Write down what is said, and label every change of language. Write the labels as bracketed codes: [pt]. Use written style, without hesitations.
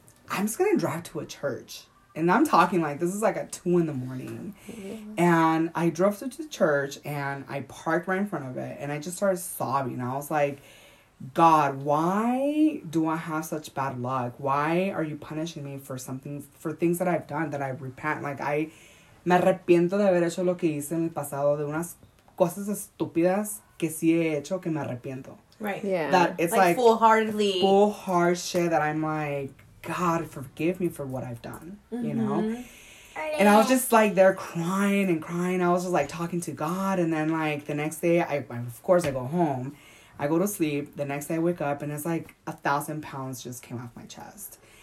[en] I'm just going to drive to a church. And I'm talking like, this is like at 2 a.m. And I drove to the church and I parked right in front of it. And I just started sobbing. I was like, God, why do I have such bad luck? Why are you punishing me for something, for things that I've done that I repent? Like, I [es] me arrepiento de haber hecho lo que hice en el pasado, de unas cosas estúpidas que sí he hecho que me arrepiento. [en] Right. Yeah. That it's like full-heartedly. Full-heart shit that I'm like, God, forgive me for what I've done, you know? And I was just, like, there crying and crying. I was just, like, talking to God. And then, like, the next day, I go home. I go to sleep. The next day, I wake up, and it's, like, 1,000 pounds just came off my chest.